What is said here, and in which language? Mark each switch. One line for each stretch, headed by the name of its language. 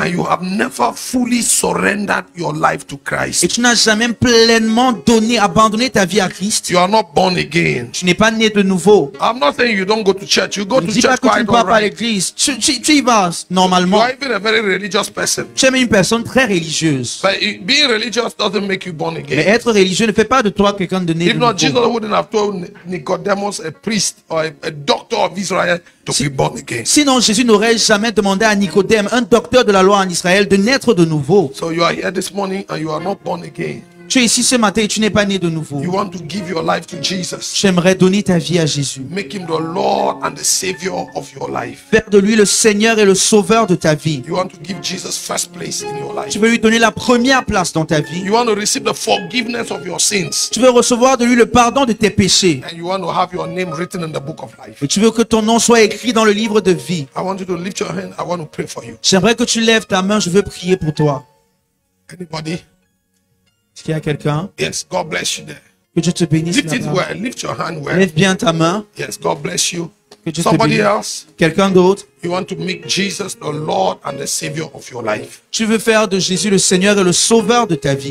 English: and you have never fully surrendered your life to Christ,
French: et tu n'as jamais pleinement donné, abandonné ta vie à Christ,
English: you are not born again.
French: Tu n'es pas né de nouveau.
English: I'm not saying you don't go to church. You go to church quite alright.
French: Je ne dis pas que tu ne vas pas à l'église. Tu y vas normalement.
English: You are even a very religious person.
French: Tu es une personne très religieuse.
English: But being religious doesn't make you born again.
French: Mais être religieux ne fait pas de toi quelqu'un de né de nouveau.
English: If not, Jesus wouldn't have told Nicodemus, a priest or a doctor of Israel.
French: Sinon, Jésus n'aurait jamais demandé à Nicodème, un docteur de la loi en Israël, de naître de nouveau.
English: So you are here this morning and you are not born again.
French: Tu es ici ce matin et tu n'es pas né de nouveau.
English: You want to give your life to Jesus.
French: J'aimerais donner ta vie à Jésus.
English: Make him the Lord and the Savior of your life.
French: Faire de lui le Seigneur et le Sauveur de ta vie.
English: You want to give Jesus first place in your life.
French: Tu veux lui donner la première place dans ta vie.
English: You want to receive the forgiveness of your sins.
French: Tu veux recevoir de lui le pardon de tes péchés.
English: And you want to have your name written in the book of life.
French: Et tu veux que ton nom soit écrit dans le livre de vie.
English: I want you to lift your hand. I want to pray for you.
French: J'aimerais que tu lèves ta main. Je veux prier pour toi.
English: Anybody?
French: Est-ce qu'il y a quelqu'un?
English: Yes, God bless you there.
French: Que Dieu te bénisse.
English: Lift it well. Lift your hand well.
French: Lève bien ta main.
English: Yes, God bless you.
French: Que Dieu
English: somebody
French: te
English: else.
French: Quelqu'un d'autre.
English: You want to make Jesus the Lord and the Savior of your life.
French: Tu veux faire de Jésus le Seigneur et le Sauveur de ta vie.